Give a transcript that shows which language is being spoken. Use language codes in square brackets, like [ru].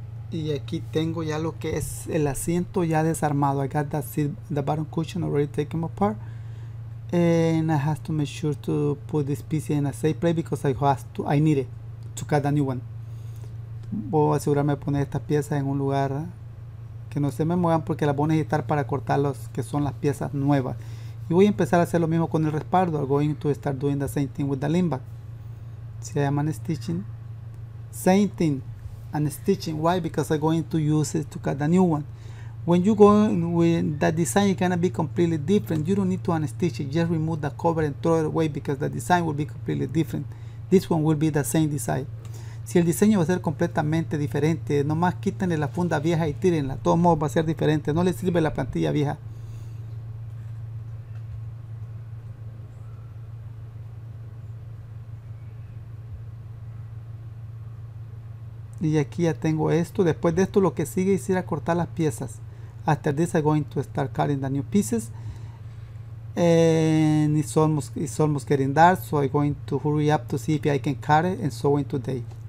[es] Y aquí tengo ya lo que es el asiento ya desarmado. [en] I got that seat, the bottom cushion already taken apart. And I have to make sure to put this PC in a safe place because I need it to cut a new one. [es] Voy a asegurarme de poner estas piezas en un lugar que no se me muevan porque las voy a necesitar para cortar los que son las piezas nuevas. Y voy a empezar a hacer lo mismo con el respaldo. [en] I'm going to start doing the same thing with the limbac. See, I am unstitching. Same thing. And stitching, why? Because I'm going to use it to cut the new one. When you go in with that design, it's gonna be completely different. You don't need to unstitch it, just remove the cover and throw it away because the design will be completely different. This one will be the same design. [es] Si el diseño va a ser completamente diferente, nomás quítenle la funda vieja y tírenla. De todos modos va a ser diferente, no le sirve la plantilla vieja. Y aquí ya tengo esto. Después de esto, lo que sigue es ir a cortar las piezas. [en] After this, I'm going to start cutting the new pieces. And it's almost getting dark, so I'm going to hurry up to see if I can cut it and sew it today.